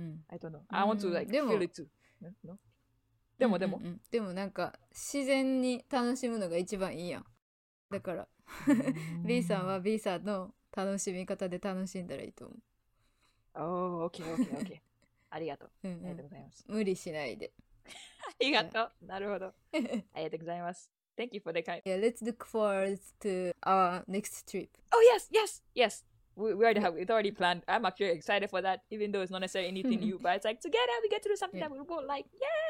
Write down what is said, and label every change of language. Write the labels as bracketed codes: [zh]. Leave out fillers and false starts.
[en] I don't know. I want to like feel it too. [ja] でもでも、うんうんうん、でもなんか自然に楽しむのが一番いいやんだからB さんは B さんの楽しみ方で楽しんだらいいと思う。おお OKOKOK ありがとう、うんうん、ありがとうございます。無理しないでありがとう。なるほどありがとうございます。 [en] Thank you for the kind. Yeah, let's look forward to our next trip. Oh yes yes yesWe already have it already planned. I'm actually excited for that, even though it's not necessarily anything new. But it's like together we get to do something that we both like. Yay!